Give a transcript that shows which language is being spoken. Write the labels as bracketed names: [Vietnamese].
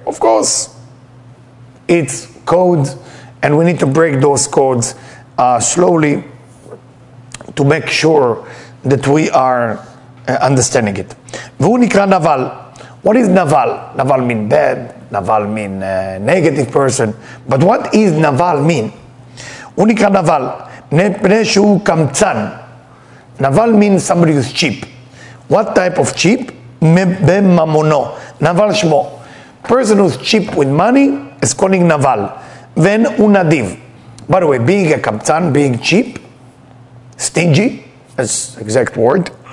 [English] Of course, it's code, and we need to break those codes slowly to make sure that we are understanding it. [Hebrew] והוא נקרא נבל. [English] What is נבל? נבל mean bad, נבל mean negative person, but what is נבל mean? [Hebrew] הוא נקרא נבל, מפני שהוא קמצן. [English] נבל means somebody who's cheap. What type of cheap? [Hebrew] בממונו, נבל שמו. [English] Person who's cheap with money is calling נבל, [Hebrew] ואין הוא נדיב. [English] By the way, being a קמצן, being cheap, stingy, That's the exact word.